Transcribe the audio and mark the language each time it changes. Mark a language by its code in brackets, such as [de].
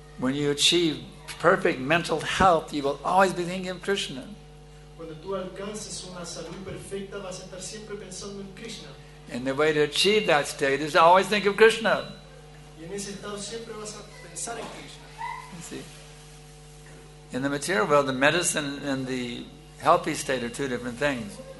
[en] When you achieve perfect mental health, you will always be thinking of Krishna. [es] Cuando tú alcances una salud perfecta, vas a estar siempre pensando en Krishna. [en] And the way to achieve that state is to always think of Krishna. [es] Y en ese estado siempre vas a pensar en Krishna. [en] You see. In the material world, the medicine and the healthy state are two different things.